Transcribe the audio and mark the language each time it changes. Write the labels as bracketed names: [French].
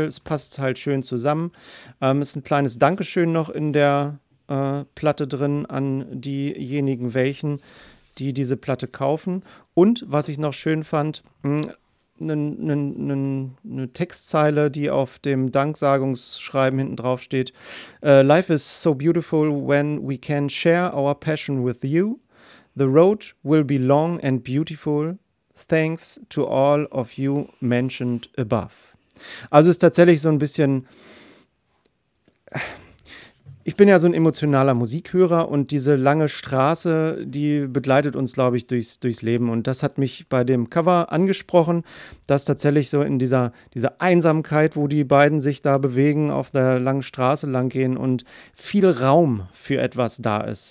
[German] Es passt halt schön zusammen. Ist ein kleines Dankeschön noch in der Platte drin an diejenigen, welchen, die diese Platte kaufen. Und was ich noch schön fand, eine Textzeile, die auf dem Danksagungsschreiben hinten drauf steht. [English] Life is so beautiful when we can share our passion with you. The road will be long and beautiful, thanks to all of you mentioned above. [German] Also ist tatsächlich so ein bisschen, ich bin ja so ein emotionaler Musikhörer und diese lange Straße, die begleitet uns, glaube ich, durchs Leben. Und das hat mich bei dem Cover angesprochen, dass tatsächlich so in dieser Einsamkeit, wo die beiden sich da bewegen, auf der langen Straße lang gehen und viel Raum für etwas da ist.